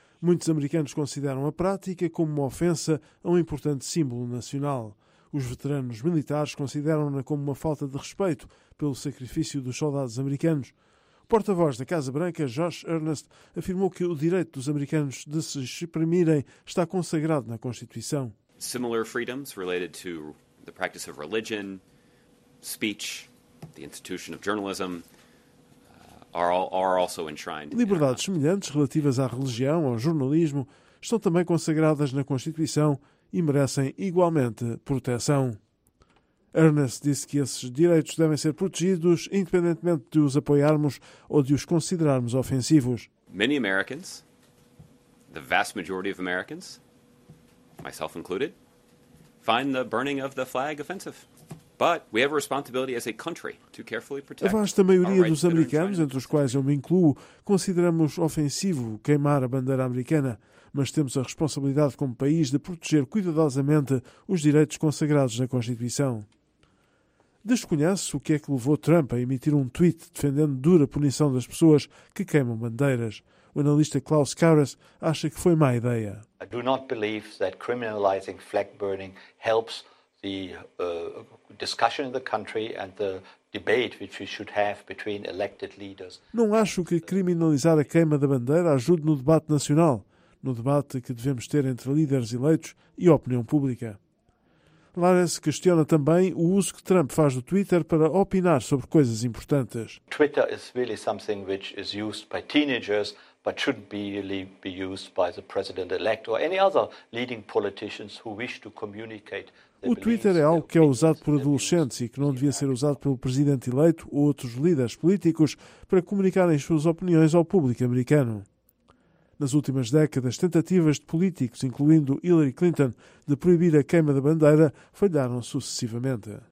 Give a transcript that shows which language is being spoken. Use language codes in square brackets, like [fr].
[pt] Muitos americanos consideram a prática como uma ofensa a um importante símbolo nacional. Os veteranos militares consideram-na como uma falta de respeito pelo sacrifício dos soldados americanos. O porta-voz da Casa Branca, Josh Earnest, afirmou que o direito dos americanos de se exprimirem está consagrado na Constituição. [en] Similar freedoms related to the practice of religion, speech, the institution of journalism, are also enshrined. [pt] Liberdades semelhantes relativas à religião, ao jornalismo, estão também consagradas na Constituição e merecem igualmente proteção. Earnest disse que esses direitos devem ser protegidos independentemente de os apoiarmos ou de os considerarmos ofensivos. [en] Many Americans, the vast majority of Americans, myself included, find the burning of the flag offensive. But we have a responsibility as a country to carefully protect. [pt] A vasta maioria dos americanos, entre os quais eu me incluo, consideramos ofensivo queimar a bandeira americana, mas temos a responsabilidade como país de proteger cuidadosamente os direitos consagrados na Constituição. Desconhece o que é que levou Trump a emitir um tweet defendendo dura punição das pessoas que queimam bandeiras. O analista Klaus Karas acha que foi má ideia. [en] I do not believe that criminalizing flag burning helps the discussion in the country and the debate which we should have between elected leaders. [pt] Não acho que criminalizar a queima da bandeira ajude no debate nacional, no debate que devemos ter entre líderes eleitos e a opinião pública. Lawrence questiona também o uso que Trump faz do Twitter para opinar sobre coisas importantes. [en] Twitter is really something which is used by teenagers, but shouldn't really be used by the president-elect or any other leading politicians who wish to communicate. [pt] O Twitter é algo que é usado por adolescentes e que não devia ser usado pelo presidente eleito ou outros líderes políticos para comunicarem suas opiniões ao público americano. Nas últimas décadas, tentativas de políticos, incluindo Hillary Clinton, de proibir a queima da bandeira, falharam sucessivamente.